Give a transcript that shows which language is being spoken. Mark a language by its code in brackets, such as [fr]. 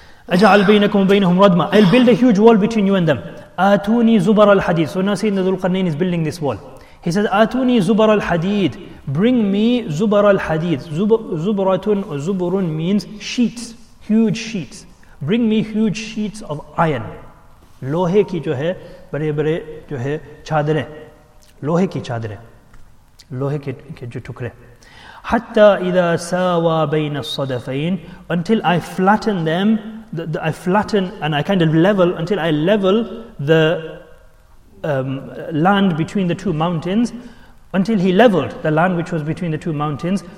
[ar] أَجَعَلْ بَيْنَكُمْ بَيْنَهُمْ رَدْمًا [en] I'll build a huge wall between you and them. [ar] آتُونِي زُبَرَ الْحَدِيدِ [en] So now Sayyidina Dhul-Qarnayn is building this wall. He says, [ar] آتُونِي زُبَرَ الْحَدِيدِ [en] Bring me [ar] زُبَرَ الْحَدِيدِ زُبْرَةٌ زُبْرٌ [en] means sheets, huge sheets. Bring me huge sheets of iron. [ur] لوحے کی جو ہے, بڑے بڑے جو ہے, چادریں. لوحے کی چادریں. لوہے کے جو ٹکڑے [ar] حَتَّى إِذَا سَاوَى بَيْنَ الصَّدَفَيْنَ [en] Until I flatten them, I flatten and I kind of level, until I level land between the two mountains until he leveled the land which was between the two mountains.